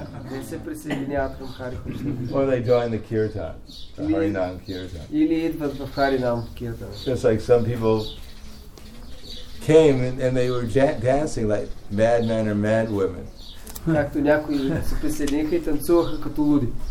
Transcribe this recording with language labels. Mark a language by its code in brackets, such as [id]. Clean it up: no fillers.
[bg] Не се присъединяват към Hare Krishna. [en] Or they join the kirtan. Harinam kirtan. [bg] Или идват в Харинам кирта. [en] Just like some people came and they were dancing like madmen or madwomen. [bg] Както някои се присъединиха и танцуваха като луди.